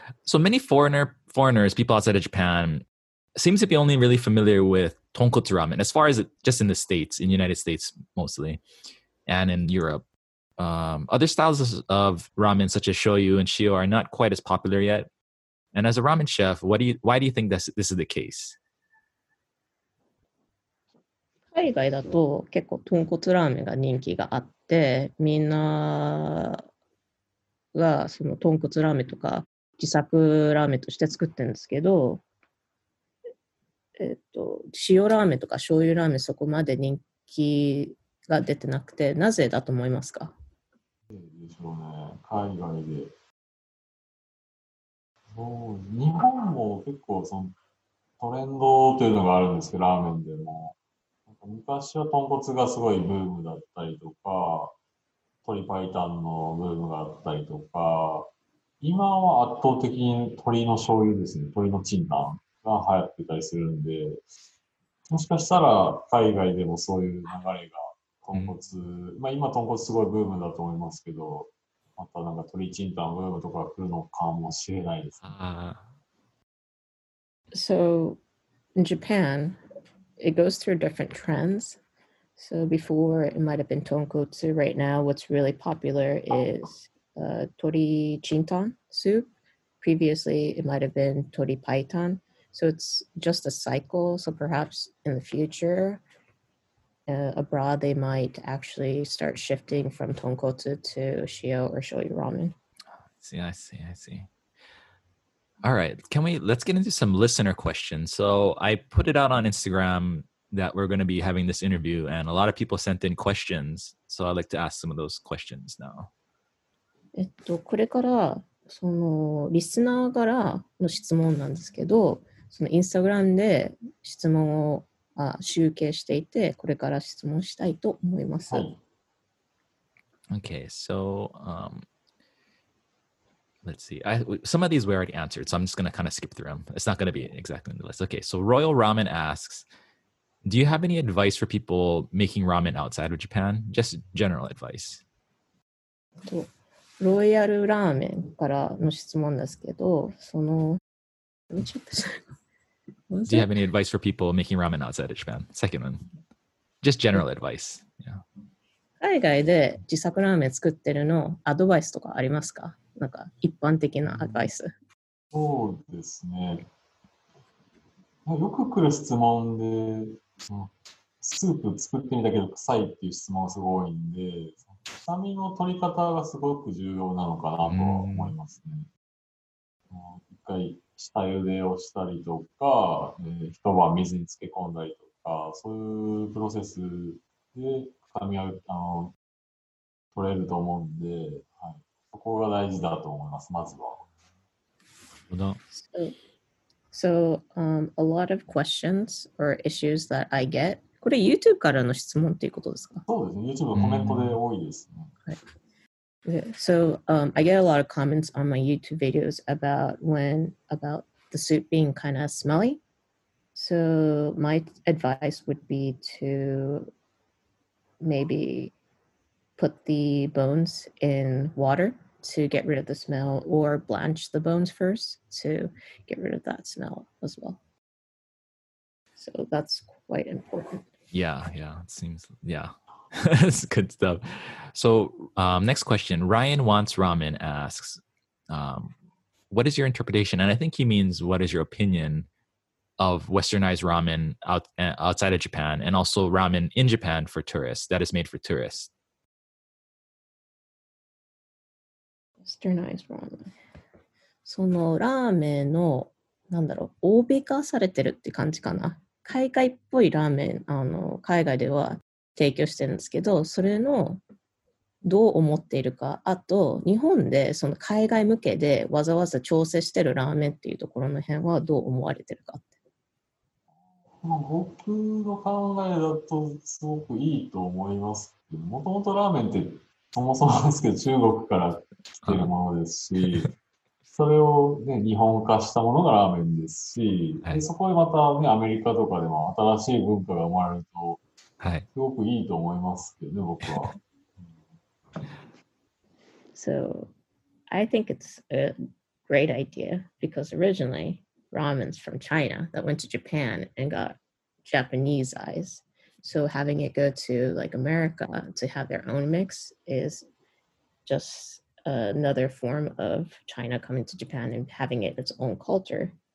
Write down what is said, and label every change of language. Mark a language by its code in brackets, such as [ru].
[en] So many foreigners, people outside of Japan, seems to be only really familiar with tonkotsu ramen, as far as it, just in the States, in the United States mostly, and in Europe. Other styles of ramen, such as shoyu and shio, are not quite as popular yet. And as a ramen chef, why do you think this is the case? [ja] 海外だと結構tonkotsu ramenが人気があって、みんな…がその豚骨ラーメンとか自作ラーメンとして作ってるんですけど、塩ラーメンとか醤油ラーメンそこまで人気が出てなくて、なぜだと思いますか？でしょうね、海外で。もう日本も結構そのトレンドというのがあるんですけど、ラーメンでも昔は豚骨がすごいブームだったりとか、鶏白湯のブームがあったりとか、今は圧倒的に鶏の醤油ですね、鶏のチンタンが流行ってたりするんで、もしかしたら海外でもそういう流れが、豚骨、まあ今豚骨すごいブームだと思いますけど、またなんか鶏チンタンブームとか来るのかもしれないですね。 [en] So, in Japan, it goes through different trends. So before, it might have been tonkotsu. Right now, what's really popular is tori chintan soup. Previously, it might have been tori paitan. So it's just a cycle. So perhaps in the future, abroad, they might actually start shifting from tonkotsu to shio or shoyu ramen. I see. All right. Let's get into some listener questions. So I put it out on Instagram that we're going to be having this interview, and a lot of people sent in questions. So I'd like to ask some of those questions now. [ja] これからそのリスナーからの質問なんですけど、そのインスタグラムで質問を集計していて、これから質問したいと思います。 [en] はい、okay, so, let's see. Some of these we already answered, so I'm just going to kind of skip through them. It's not going to be exactly in the list. Okay, so Royal Ramen asks, do you have any advice for people making ramen outside of Japan? Just general advice. [ja] ロイヤルラーメンからの質問ですけど、その、ちょっ [en] と、Do you have any advice for people making ramen outside of Japan? Second one. Just general advice. Yeah. [ja] 海外で自作ラーメン作ってるのアドバイスとかありますか？なんか一般的なアドバイス。そうですね。よく来る質問で、スープ作ってみたけど臭いっていう質問がすごいんで、臭みの取り方がすごく重要なのかなと思いますね。一回下茹でをしたりとか、一晩水に漬け込んだりとか、そういうプロセスで臭みが取れると思うんで、はい、そこが大事だと思います、まずは。 [en] So, a lot of questions or issues that I get. [ja] これ YouTube からの質問っていうことですか？そうですね。 YouTube はコメントで多いですね。 [en] Right. So, I get a lot of comments on my YouTube videos about the soup being kind of smelly. So, my advice would be to maybe put the bones in water. To get rid of the smell or blanch the bones first to get rid of that smell as well. So that's quite important. Yeah, it seems, yeah, that's good stuff. So, next question Ryan Wants Ramen asks, what is your interpretation? And I think he means, what is your opinion of westernized ramen outside of Japan and also ramen in Japan for tourists that is made for tourists? Westernized ramen. [ja] そのラーメンの何だろう、欧米化されてるって感じかな。海外っぽいラーメン、海外では提供してるんですけど、それのどう思っているか、あと日本でその海外向けでわざわざ調整してるラーメンっていうところの辺はどう思われてるかって。僕の考えだとすごくいいと思いますけど、もともとラーメンってそもそもなんですけど、中国から来てるものですし、それを、ね、日本化したものがラーメンですし、でそこでまた、ね、アメリカとかでも新しい文化が生まれると、すごくいいと思いますけどね、僕は。 [en] So, I think it's a great idea, because originally, ramen's from China that went to Japan and got Japanese eyes. So having it go to like America to have their own mix is just another form of China coming to Japan and having it its own culture.